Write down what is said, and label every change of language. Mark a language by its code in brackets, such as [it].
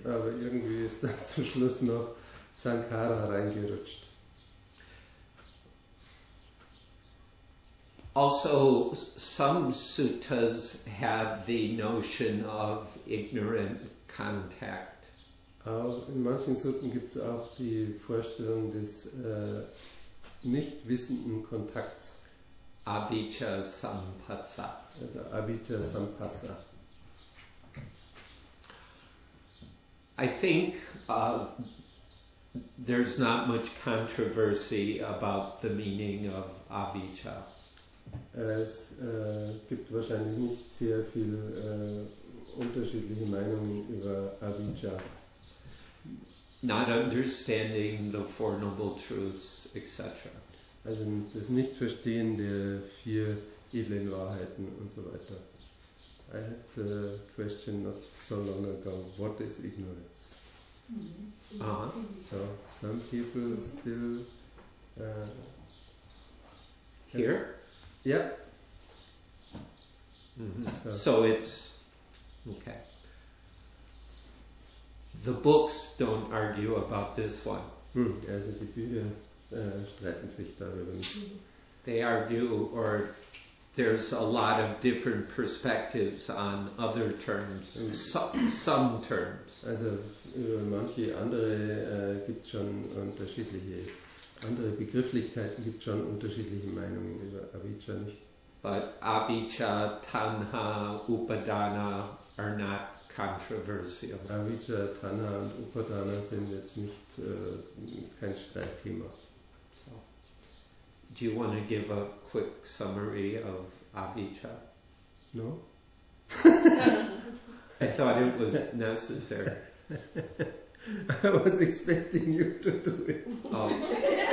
[de] Aber irgendwie ist dann zum Schluss noch Sankara reingerutscht. [en] Also, some suttas have the notion of ignorant contact. [de] Auch in manchen Sutten gibt es auch die Vorstellung des nicht wissenden Kontakts. [pi] Avicca Sampassa. [de] Also [pi] Avicca Sampassa. [en] I think there's not much controversy about the meaning of Avicca. [de] Es gibt wahrscheinlich nicht sehr viel unterschiedliche Meinungen über Avicca. [en] Not understanding the Four Noble Truths, etc. [de] Also das Nichtverstehen der vier edlen Wahrheiten und so weiter. [en] I had a question not so long ago. What is ignorance? Mm-hmm. Uh-huh. So some people still here? Yeah. Mm-hmm. So it's okay. The books don't argue about this one. [de] Also die Bücher streiten sich darüber. [en] They argue, or there's a lot of different perspectives on other terms, some terms. [de] Also über manche andere gibt es schon unterschiedliche Andere Begrifflichkeiten gibt schon unterschiedliche Meinungen über Avijja nicht. [en] But Avijja, Tanha, Upadana are not controversial. [de] Avijja, Tanha und Upadana sind jetzt nicht kein Streitthema. [en] So. Do you want to give a quick summary of Avijja? No. I thought it was necessary. I was expecting you to do it. Oh.